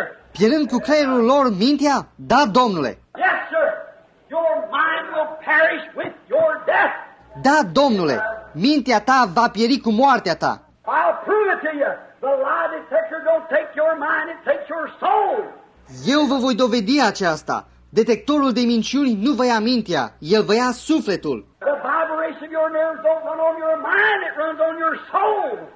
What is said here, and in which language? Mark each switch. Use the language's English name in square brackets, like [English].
[Romanian] Pierând cu creierul lor mintea? Da, Domnule! [English] Yes, sir. Your mind will perish with your death. [Romanian] Da, Domnule! Mintea ta va pieri cu moartea ta. [English] I'll prove it to you. The lie detector don't take your mind, it takes your soul. [Romanian] Eu vă voi dovedi aceasta. Detectorul de minciuni nu vă ia mintea, el vă ia sufletul. [English] The vibration of your nerves don't run on your mind, it runs on your soul.